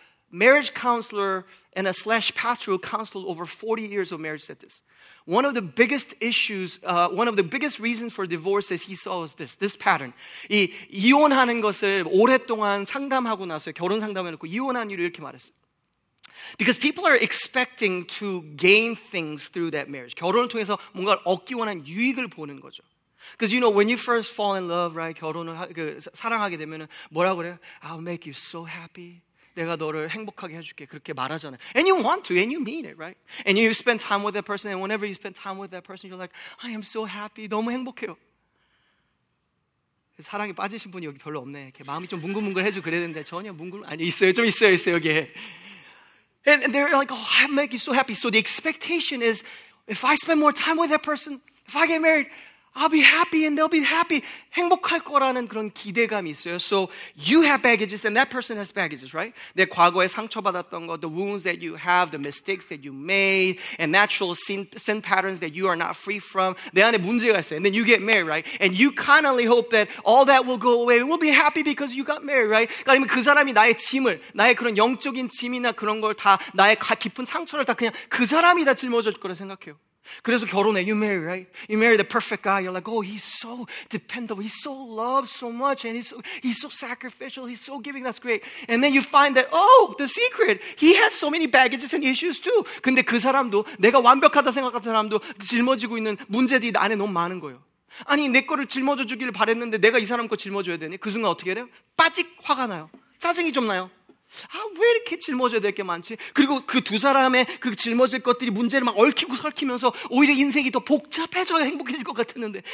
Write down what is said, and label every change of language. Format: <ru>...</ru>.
<en>marriage counselor and a slash pastoral counselor over 40 years of marriage said this. One of the biggest issues, one of the biggest reasons for divorce is he saw was this, this pattern.</en> <ko>이 이혼하는 것을 오랫동안 상담하고 나서 결혼 상담해놓고 이혼한 이유를 이렇게 말했어요.</ko> <en>Because people are expecting to gain things through that marriage.</en> <ko>결혼을 통해서 뭔가 얻기 원한 유익을 보는 거죠.</ko> <en>Because you know, when you first fall in love, right?</en> <ko>결혼을 사랑하게 되면은 뭐라고 그래요?</ko> <en>I'll make you so happy.</en> <ko>내가 너를 행복하게 해줄게. 그렇게 말하잖아요.</ko> <en>And you want to, and you mean it, right? And you spend time with that person, and whenever you spend time with that person, you're like, I am so happy.</en> <ko>너무 행복해요. 사랑에 빠지신 분이 여기 별로 없네. 이렇게 마음이 좀 뭉글뭉글해지고 그래야 되는데 전혀 뭉글, 아니, 있어요. 좀 있어요, 있어요, 여기에.</ko> <en>And they're like, oh, I make you so happy. So the expectation is, if I spend more time with that person, if I get married, I'll be happy and they'll be happy.</en> <ko>행복할 거라는 그런 기대감이 있어요.</ko> <en>So you have baggages and that person has baggages, right?</en> <ko>내 과거에 상처받았던 거,</ko> <en>the wounds that you have, the mistakes that you made, and natural sin patterns that you are not free from.</en> <ko>내 안에 문제가 있어요.</ko> <en>And then you get married, right? And you kindly hope that all that will go away. We'll be happy because you got married, right?</en> <ko>아니면 그 사람이 나의 짐을, 나의 그런 영적인 짐이나 그런 걸 다, 나의 깊은 상처를 다 그냥 그 사람이 다 짊어질 거라 생각해요. 그래서 결혼해.</ko> <en>You marry, right? You marry the perfect guy. You're like, oh, he's so dependable. He's so loved so much. And he's so sacrificial. He's so giving. That's great. And then you find that, oh, the secret. He has so many baggages and issues too.</en> <ko>근데 그 사람도 내가 완벽하다 생각하는 사람도 짊어지고 있는 문제들이 안에 너무 많은 거예요. 아니, 내 거를 짊어져주길 바랬는데 내가 이 사람 거 짊어져야 되니? 그 순간 어떻게 해야 돼요? 빠직 화가 나요. 짜증이 좀 나요. 아, 왜 이렇게 짊어져야 될 게 많지? 그리고 그 두 사람의 그 짊어질 것들이 문제를 막 얽히고 설키면서 오히려 인생이 더 복잡해져야 행복해질 것 같았는데.</ko>